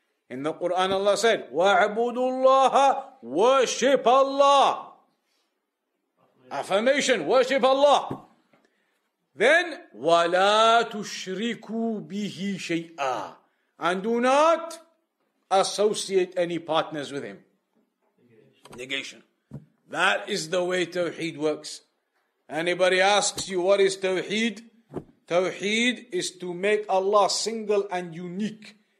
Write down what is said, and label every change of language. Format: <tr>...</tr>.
<en>In the Quran Allah said,</en> <ar>وَاعْبُدُوا اللَّهَ</ar> <en>worship Allah. Affirmation, worship Allah. Then,</en> <ar>وَلَا تُشْرِكُوا بِهِ شَيْئًا.</ar> <en>And do not associate any partners with him. Negation. That is the way Tawheed works. Anybody asks you, what is Tawheed? Tawheed is to make Allah single and unique.</en>